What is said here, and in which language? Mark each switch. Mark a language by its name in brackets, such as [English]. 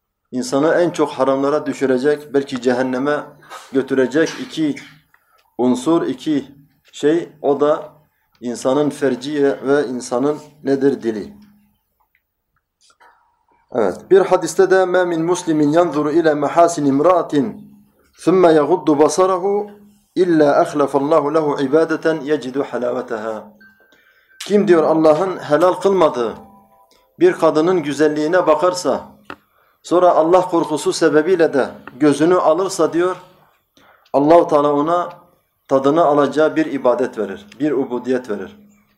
[Turkish] İnsanı en çok haramlara düşürecek, belki cehenneme götürecek iki unsur, iki şey o da insanın ferci ve insanın nedir dili. Evet, bir hadiste de [Arabic] مَا مِنْ مُسْلِمٍ يَنْظُرُ اِلَى مَحَاسِنِ اِمْرَاتٍ ثُمَّ يَغُدُّ بَصَرَهُ اِلَّا اَخْلَفَ اللّٰهُ لَهُ عِبَادَةً يَجِدُ حَلَاوَتَهَا. [Turkish] Kim diyor Allah'ın helal kılmadığı bir kadının güzelliğine bakarsa, sonra Allah korkusu sebebiyle de gözünü alırsa diyor, Allah-u Teala ona tadını alacağı bir ibadet verir, bir ubudiyet verir.